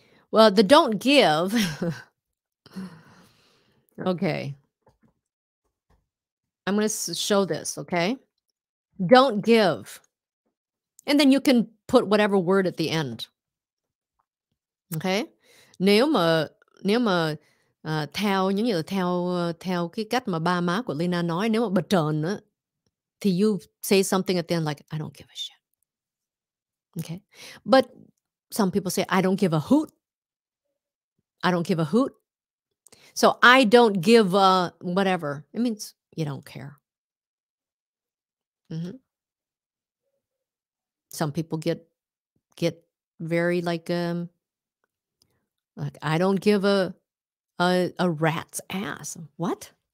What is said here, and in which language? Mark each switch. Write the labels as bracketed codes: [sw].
[en] Well, the don't give. Okay. I'm going to show this, okay? Don't give. And then you can put whatever word at the end. Okay? [vi] Nếu mà theo những như là theo cái cách mà ba má của Leyna nói, nếu mà bật trơn á thì [en] you say something at the end like I don't give a shit. Okay? But some people say I don't give a hoot. I don't give a hoot. So I don't give a whatever. It means you don't care. Mm-hmm. Some people get very like I don't give a rat's ass. What?